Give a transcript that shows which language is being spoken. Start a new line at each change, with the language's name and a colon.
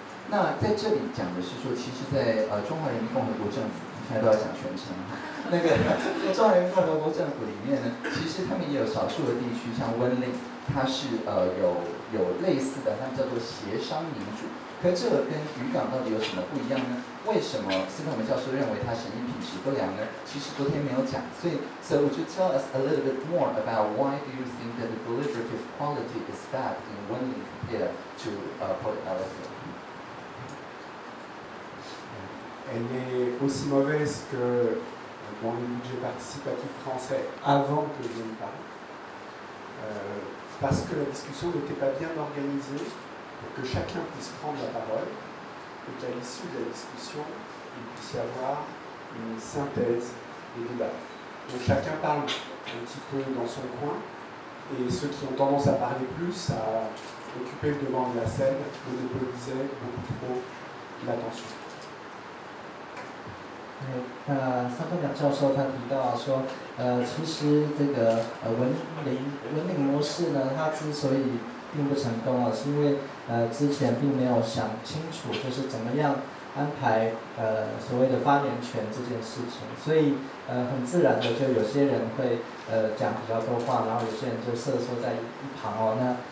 Chinese: 那在这里讲的是说，其实在中华人民共和国政府，现在都要讲全称，那个中华人民共和国政府里面呢，其实他们也有少数的地区，像温岭，它是有类似的，他们叫做协商民主。可这个跟渔港到底有什么不一样呢？为什么斯坦福教授认为他审议品质不良呢？其实昨天没有讲，所以
English: would you tell us a little bit more about why do you think that the deliberative quality is bad in Winling compared to public elections?
French: Elle est aussi mauvaise que dans les budgets participatifs français avant que je ne parle, parce que la discussion n'était pas bien organisée pour que chacun puisse prendre la parole et qu'à l'issue de la discussion, il puisse y avoir une synthèse des débats. Donc chacun parle un petit peu dans son coin et ceux qui ont tendance à parler plus, à occuper le devant de la scène, monopolisaient beaucoup trop l'attention.
Chinese: 那三分两教授他提到说，其实这个文岭模式呢，它之所以并不成功啊，是因为之前并没有想清楚，就是怎么样安排所谓的发言权这件事情，所以很自然的就有些人会讲比较多话，然后有些人就瑟缩在一旁哦。